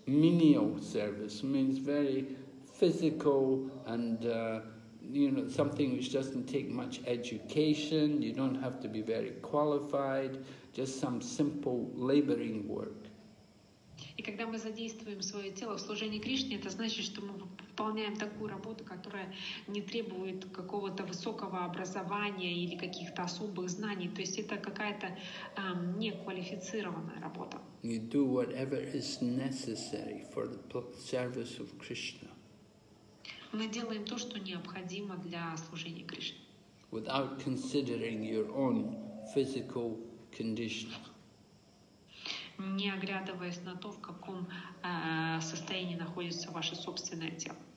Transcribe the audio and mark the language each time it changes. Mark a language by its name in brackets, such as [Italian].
[English] Menial service means very physical and you know, something which doesn't take much education, you don't have to be very qualified, just some simple laboring work. [Russian] И когда мы задействуем свое тело в служении Кришне, это значит, что мы выполняем такую работу, которая не требует какого-то высокого образования или каких-то особых знаний. То есть это какая-то неквалифицированная работа. [English] You do whatever is necessary for the service of Krishna. [Russian] Мы делаем то, что необходимо для служения Кришне. [English] Without considering your own physical condition. [Russian] Не оглядываясь на то, в каком состоянии находится ваше собственное тело.